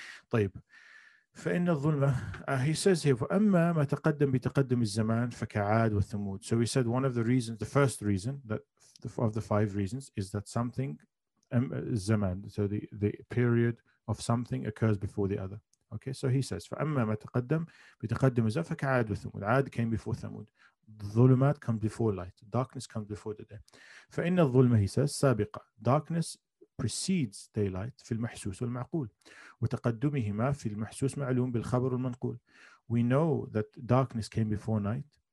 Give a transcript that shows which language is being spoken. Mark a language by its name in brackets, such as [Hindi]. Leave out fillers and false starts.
[Arabic] طيب, فإن الظلمة, [English] he says here, [Arabic] فأما ما تقدم بتقدم الزمان فكعاد والثمود. [English] So he said one of the reasons, the first reason that of the five reasons is that something, الزمان, so the period of something occurs before the other. Okay, so he says, [Arabic] فأما ما تقدم بتقدم الزمان فكعاد والثمود. [English] عاد came before ثمود. الظلمات comes before light. Darkness comes before the day. [Arabic] فإن الظلمة, [English] he says, [Arabic] سابقة. [English] Darkness precedes daylight [Arabic] في المحسوس والمعقول, وتقدمهما في المحسوس معلوم بالخبر المنقول, [English] We know that darkness came before night.